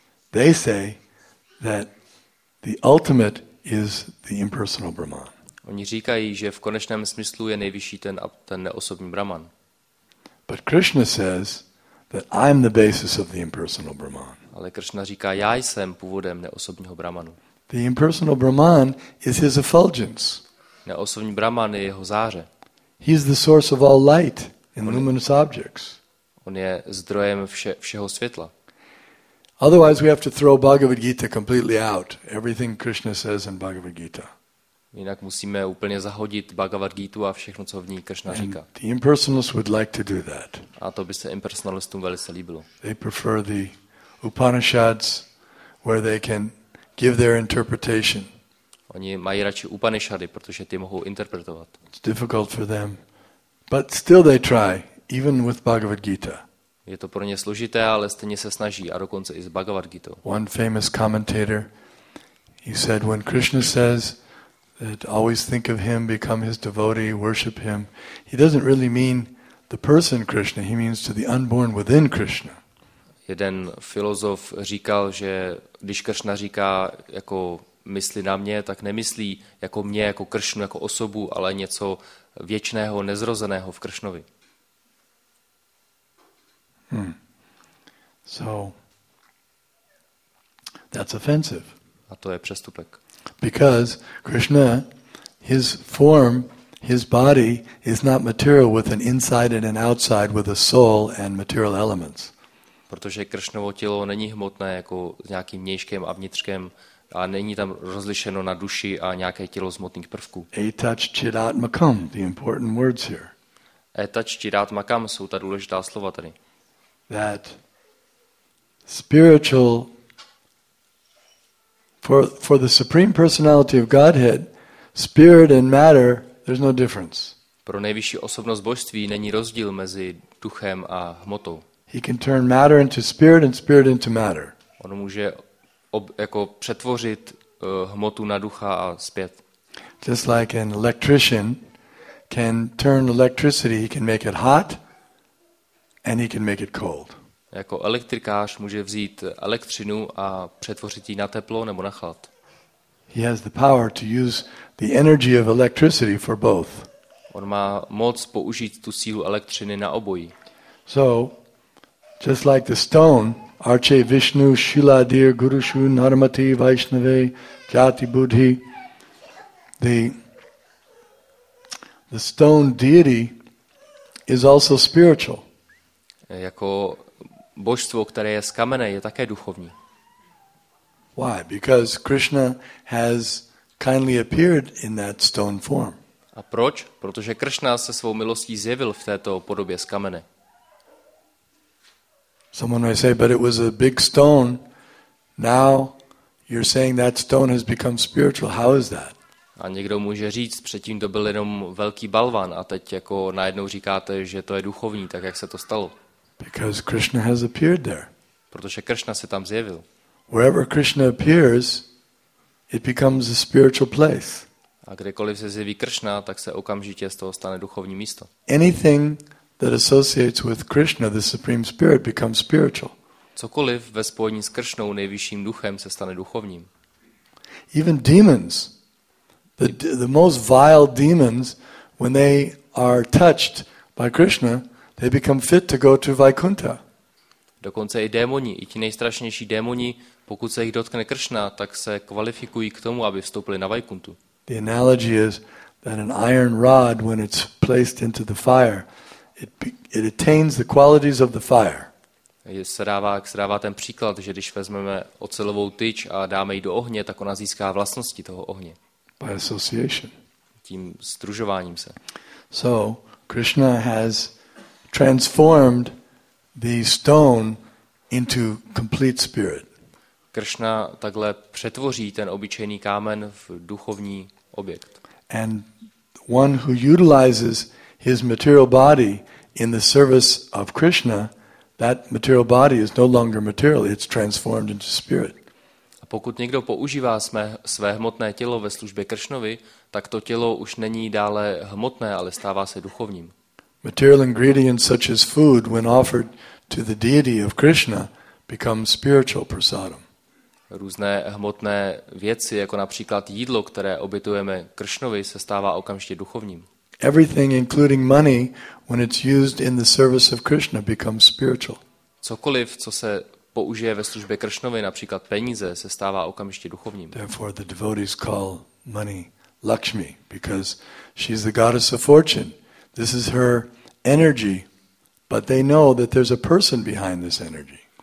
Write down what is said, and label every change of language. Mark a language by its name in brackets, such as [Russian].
[English] They say that the ultimate is the impersonal Brahman. [Czech] Oni říkají, že v konečném smyslu je nejvyšší ten neosobní Brahman. [English] But Krishna says that I am the basis of the impersonal Brahman. [Czech] Ale Krishna říká, já jsem původem neosobního Brahmanu. [English] The impersonal Brahman is his effulgence. [Czech] Neosobní Brahman je jeho záře. [English] He is the source of all light in luminous objects. [Czech] On je zdrojem všeho světla. [English] Otherwise we have to throw Bhagavad Gita completely out. Everything Krishna says in Bhagavad Gita. [Czech] Jinak musíme úplně zahodit Bhagavad Gitu a všechno, co v ní Kršna říká. [English] The impersonalists would like to do that. [Czech] A to by se impersonalistům velice líbilo. [English] They prefer the Upanishads, where they can give their interpretation. [Czech] Oni mají radši Upanishady, protože ty mohou interpretovat. [English] It's difficult for them, but still they try, even with Bhagavad Gita. [Czech] Je to pro ně složité, ale stejně se snaží, a dokonce i s Bhagavad Gitou. [English] One famous commentator, he said, when Krishna says that always think of him, become his devotee, worship him. He doesn't really mean the person Krishna, he means to the unborn within Krishna. [Czech] Jeden filozof říkal, že když Krishna říká jako mysli na mě, tak nemyslí jako mě, jako Kršnu, jako osobu, ale něco věčného, nezrozeného v Kršnovi. [English] So that's offensive. [Czech] A to je přestupek. [English] Because Krishna, his form, his body is not material with an inside and an outside with a soul and material elements. [Czech] Protože Kršnovo tělo není hmotné jako s nějakým vnějškem a vnitřkem a není tam rozlišeno na duši a nějaké tělo z hmotných prvků. [English] Etach chidat makam, the important words here. [Czech] Etach chidat makam jsou ta důležitá slova tady. [English] That spiritual for the supreme personality of Godhead, spirit and matter, there's no difference. [Czech] Pro nejvyšší osobnost božství není rozdíl mezi duchem a hmotou. [English] He can turn matter into spirit and spirit into matter. [Czech] On může jako přetvořit hmotu na ducha a zpět. [English] Just like an electrician can turn electricity, he can make it hot and he can make it cold. [Czech] Jako elektrikář může vzít elektřinu a přetvořit ji na teplo nebo na chlad. [English] He has the power to use the energy of electricity for both. [Czech] On má moc použít tu sílu elektřiny na obojí. [English] So, just like the stone, [Sanskrit] Arche Vishnu, Shiladir, Gurushu, Narmati, Vaishnave, Jati, Buddhi, [English] the stone deity is also spiritual. [Czech] Jako božstvo, které je z kamene, je také duchovní. [English] Why? Because Krishna has kindly appeared in that stone form. [Czech] A proč? Protože Krishna se svou milostí zjevil v této podobě z kamene. [English] Someone may say, but it was a big stone. Now you're saying that stone has become spiritual. How is that? [Czech] A někdo může říct, předtím to byl jenom velký balvan a teď jako najednou říkáte, že to je duchovní, tak jak se to stalo? [English] Because Krishna has appeared there. [Czech] Protože Krishna se tam zjevil. [English] Wherever Krishna appears, it becomes a spiritual place. [Czech] A kdekoliv se zjeví Krishna, tak se okamžitě z toho stane duchovní místo. [English] Anything that associates with Krishna, the supreme spirit, becomes spiritual. [Czech] Cokoliv ve spojení s Kršnou, nejvyšším duchem, se stane duchovním. [English] Even demons, the most vile demons, when they are touched by Krishna, they become fit to go to Vaikuntha. [Czech] Dokonce i démoni, i ti nejstrašnější démoni, pokud se jich dotkne Kršna, tak se kvalifikují k tomu, aby vstoupili na Vaikuntu. [English] The analogy is that an iron rod, when it's placed into the fire, it attains the qualities of the fire. [Czech] Se dává ten příklad, že když vezmeme ocelovou tyč a dáme ji do ohně, tak ona získá vlastnosti toho ohně. [English] By association. [Czech] Tím sdružováním se. [English] So Krishna has transformed the stone into complete spirit. [Czech] Krishna takhle přetvoří ten obyčejný kámen v duchovní objekt. [English] And one who utilizes his material body in the service of Krishna, that material body is no longer material, it's transformed into spirit. [Czech] A pokud někdo používá své hmotné tělo ve službě Kršnovi, tak to tělo už není dále hmotné, ale stává se duchovním. [English] Material ingredients such as food, when offered to the deity of Krishna, become spiritual prasadam. [Czech] Různé hmotné věci, jako například jídlo, které obětujeme Kršnovi, se stává okamžitě duchovním. [English] Everything including money when it's used in the service of Krishna becomes spiritual. [Czech] Cokoliv, co se použije ve službě Kršnovi, například peníze, se stává okamžitě duchovním. [English] Therefore the devotees call money Lakshmi because she's the goddess of fortune. This is her energy, but they know that there's a person behind this energy.